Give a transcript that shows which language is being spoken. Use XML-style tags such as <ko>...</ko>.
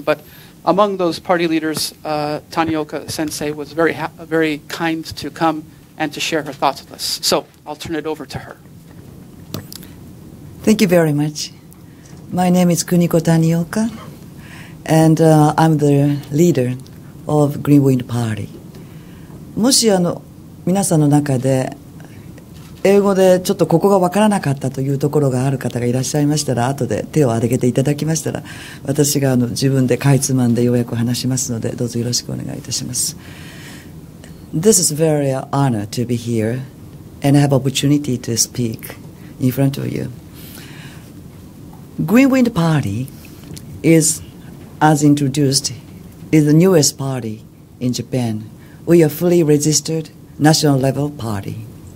<en>But among those party leaders, Tanioka Sensei was very kind to come and to share her thoughts with us. So I'll turn it over to her. Thank you very much. My name is Kuniko Tanioka, and I'm the leader of Green Wind Party.</en> <ja>もし皆さんの中で英語でちょっとここが分からなかったというところがある方がいらっしゃいましたら、後で手を挙げていただきましたら、私が自分でかいつまんでようやく話しますので、どうぞよろしくお願いいたします。</ja> <en>This is very an honor to be here and have opportunity to speak in front of you. Green Wind Party is, as introduced, is the newest party in Japan. We are fully registered national level party.</en>